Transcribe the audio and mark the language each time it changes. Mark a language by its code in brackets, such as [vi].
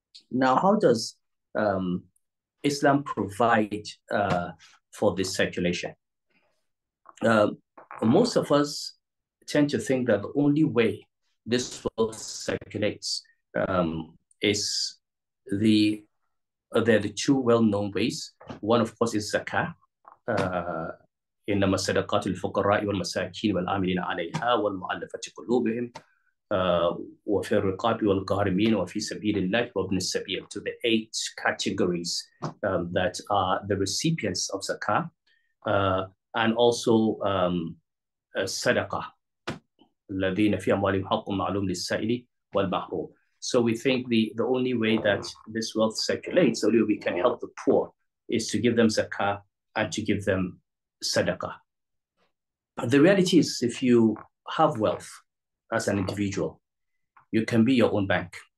[en] Now, how does Islam provide for this circulation? Most of us tend to think that the only way this world circulates is there are the two well-known ways. One, of course, is zakah. [ar] إِنَّمَا صَدَقَاتُ الْفُقَرَاءِ وَالْمَسَاكِينِ وَالْآمِلِينَ عَلَيْهَا وَالْمُؤَلَّفَةِ قُلُوبِهِمْ وَفِي الرِّقَابِ وَالْغَارِمِينَ وَفِي سَبِيلِ اللَّهِ وَابْنِ السَّبِيلِ, [en] to the eight categories that are the recipients of zakah, and also sadaqah, [ar] الَّذِينَ فِي أَمْوَالِهِمْ حَقٌّ مَعْلُومٌ لِلسَّائِلِ وَالْمَحْرُومِ. [en] So we think the only way that this wealth circulates, the only way we can help the poor, is to give them zakah and to give them sadaqah. The reality is, if you have wealth as an individual, you can be your own bank.